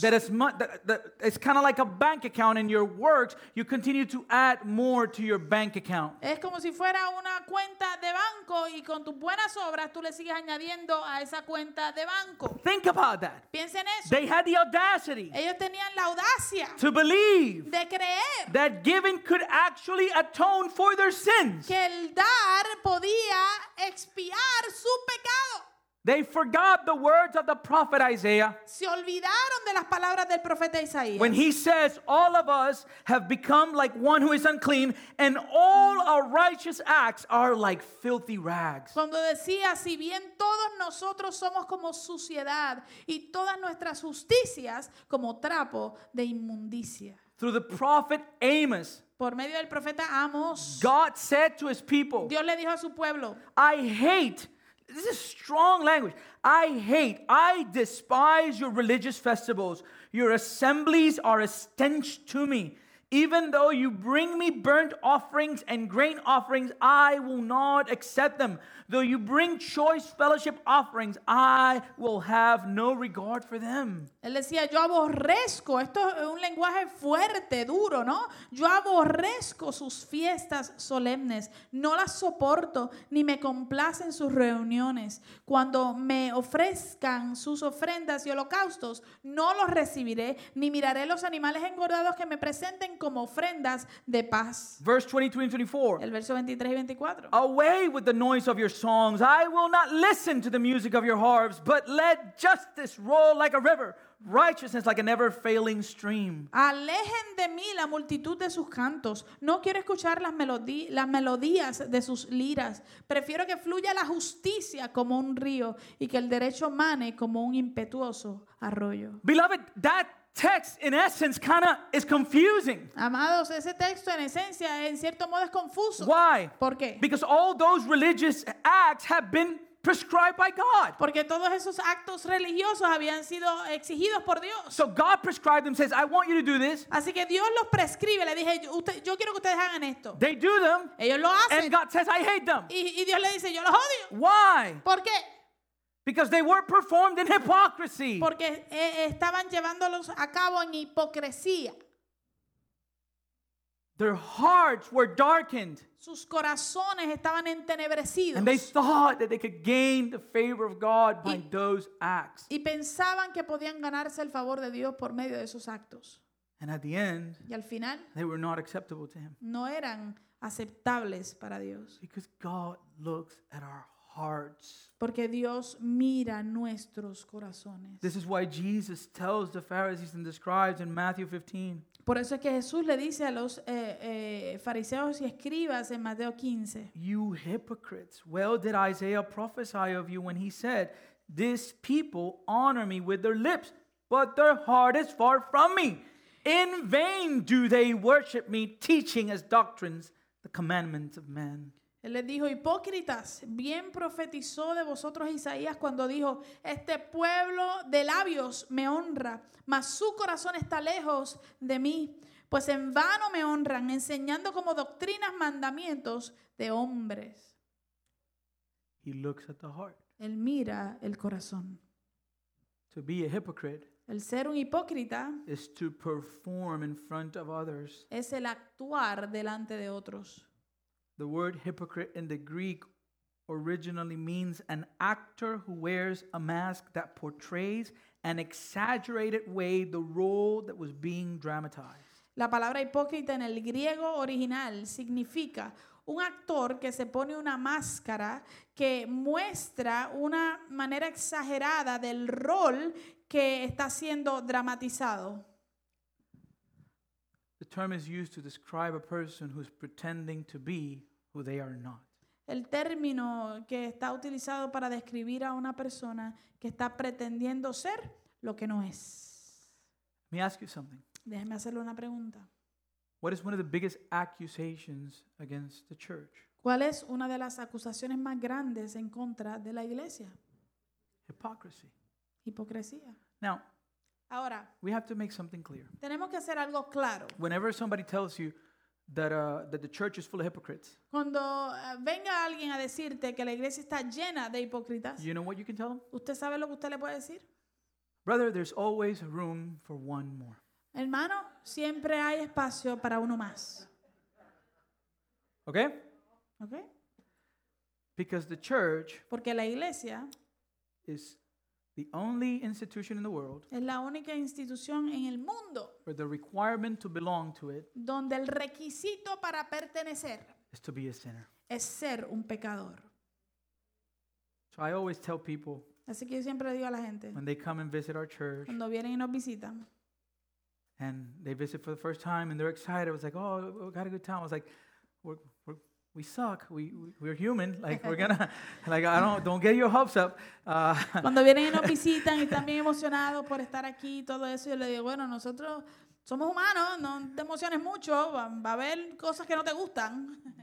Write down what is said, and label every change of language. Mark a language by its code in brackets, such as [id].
[en] That is that it's kind of like a bank account, and your works, you continue to add more to your bank account. [es] Es como si fuera una cuenta de banco, y con tus buenas obras tú le sigues añadiendo a esa cuenta de banco. [en] Think about that. [es] Piensa en eso. [en] They had the audacity. [es] Ellos tenían la audacia. [en] To believe. [es] De creer. [en] That giving could actually atone for their sins. [es] Que el dar podía expiar su pecado. [en] They forgot the words of the prophet Isaiah. [es] Se olvidaron de las palabras del profeta Isaías. [en] When he says, all of us have become like one who is unclean, and all our righteous acts are like filthy rags. [es] Cuando decía, si bien todos nosotros somos como suciedad, y todas nuestras justicias como trapo de inmundicia. [en] Through the prophet Amos, [es] por medio del profeta Amos, [en] God said to his people, [es] Dios le dijo a su pueblo, [en] I hate, this is strong language, I hate, I despise your religious festivals. Your assemblies are a stench to me. Even though you bring me burnt offerings and grain offerings, I will not accept them. Though you bring choice fellowship offerings, I will have no regard for them. [es] Él decía, yo aborrezco, esto es un lenguaje fuerte, duro, ¿no? Yo aborrezco sus fiestas solemnes, no las soporto, ni me complacen sus reuniones. Cuando me ofrezcan sus ofrendas y holocaustos, no los recibiré, ni miraré los animales engordados que me presenten como ofrendas de paz. [en] Verse 23 and 24. [es] El verso 23 y 24. [en] Away with the noise of your songs. I will not listen to the music of your harps, but let justice roll like a river. Righteousness like an ever-failing stream. [es] Alejen de mí la multitud de sus cantos. No quiero escuchar las melodías de sus liras. Prefiero que fluya la justicia como un río y que el derecho mane como un impetuoso arroyo. [en] Beloved, that text in essence kind of is confusing. [es] Amados, ese texto en esencia en cierto modo es confuso. [en] Why? [es] ¿Por qué? [en] Because all those religious acts have been prescribed by God. [es] Porque todos esos actos religiosos habían sido exigidos por Dios. [en] So God prescribed them, says, I want you to do this. [es] Así que Dios los prescribe, le dije, yo quiero que ustedes hagan esto. [en] They do them. [es] Ellos lo hacen. [en] And God says, I hate them. [es] Y Dios le dice, yo los odio. [en] Why? [es] ¿Por qué? [en] Because they were performed in hypocrisy. [es] Porque estaban llevándolos a cabo en hipocresía. [en] Their hearts were darkened. [es] Sus corazones estaban entenebrecidos. [en] And they thought that they could gain the favor of God by those acts. [es] Y pensaban que podían ganarse el favor de Dios por medio de esos actos. [en] And at the end, [es] y al final, [en] they were not acceptable to him. [es] No eran aceptables para Dios. [en] Because God looks at our hearts. [es] Porque Dios mira nuestros corazones. [en] This is why Jesus tells the Pharisees and the scribes in Matthew 15. [es] Por eso es que Jesús le dice a los fariseos y escribas en Mateo 15. [en] You hypocrites, well did Isaiah prophesy of you when he said, "This people honor me with their lips, but their heart is far from me. In vain do they worship me, teaching as doctrines the commandments of men." [es] Él les dijo, hipócritas, bien profetizó de vosotros Isaías cuando dijo, este pueblo de labios me honra, mas su corazón está lejos de mí, pues en vano me honran, enseñando como doctrinas mandamientos de hombres. [en] He looks at the heart. [es] Él mira el corazón. [en] To be a hypocrite, [es] El ser un hipócrita [en] is to perform in front of others. [es] Es el actuar delante de otros. [en] The word hypocrite in the Greek originally means an actor who wears a mask that portrays an exaggerated way the role that was being dramatized. [es] La palabra hipócrita en el griego original significa un actor que se pone una máscara que muestra una manera exagerada del rol que está siendo dramatizado. [en] The term is used to describe a person who's pretending to be who they are not. [es] El término que está utilizado para describir a una persona que está pretendiendo ser lo que no es. [en] Let me ask you something. [es] Déjeme hacerle una pregunta. [en] What is one of the biggest accusations against the church? [es] ¿Cuál es una de las acusaciones más grandes en contra de la iglesia? [en] Hypocrisy. [es] Hipocresía. [en] Now, [es] ahora, [en] we have to make something clear. [es] Tenemos que hacer algo claro. [en] Whenever somebody tells you that the church is full of hypocrites, [es] cuando venga alguien a decirte que la iglesia está llena de hipócritas, [en] you know what you can tell them? [es] ¿Usted sabe lo que usted le puede decir? [en] Brother, there's always room for one more. [es] Hermano, siempre hay espacio para uno más. [en] Okay? Okay? Because the church, [es] porque la iglesia, [en] is the only institution in the world, [es] es la única institución en el mundo, [en] where the requirement to belong to it, [es] donde el requisito para pertenecer, [en] is to be a sinner, [es] es ser un pecador. [en] So I always tell people, [es] así que yo siempre le digo a la gente, [en] when they come and visit our church, [es] cuando vienen y nos visitan, [en] and they visit for the first time and they're excited, I was like, oh, we got a good time. I was like, we suck. We're human. Like, we're gonna, like, don't get your hopes up. [es] Cuando vienen y nos visitan y están bien emocionados por estar aquí y todo eso, yo le digo, bueno, nosotros somos humanos, no te emociones mucho, va a haber cosas que no te gustan.